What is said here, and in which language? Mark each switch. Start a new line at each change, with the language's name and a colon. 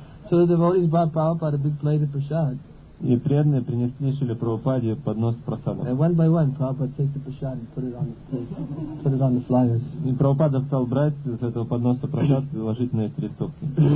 English: So the devotees brought Prabhupada a big plate of prasad.
Russian: И преданные принесли Шриле Прабхупаде поднос с прасадом.
English: And one by one, Prabhupada takes the prasad and put it on the flyers.
Russian: И Прабхупада стал брать с этого подноса прасад и ложить на эти листовки.